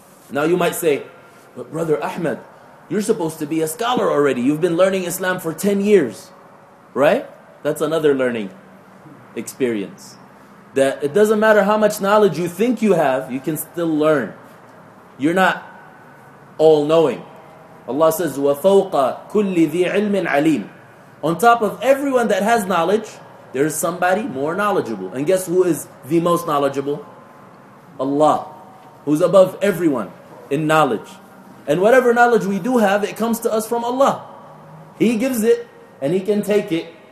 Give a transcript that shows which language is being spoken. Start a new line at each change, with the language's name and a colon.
English: Now you might say, but Brother Ahmed, you're supposed to be a scholar already. You've been learning Islam for 10 years, right? That's another learning experience. That it doesn't matter how much knowledge you think you have, you can still learn. You're not all-knowing. Allah says,
Arabic: وَفَوْقَ كُلِّ ذِي عِلْمٍ عَلِيمٍ.
English: On top of everyone that has knowledge, there is somebody more knowledgeable. And guess who is the most knowledgeable? Allah, who's above everyone in knowledge. And whatever knowledge we do have, it comes to us from Allah. He gives it, and He can take it.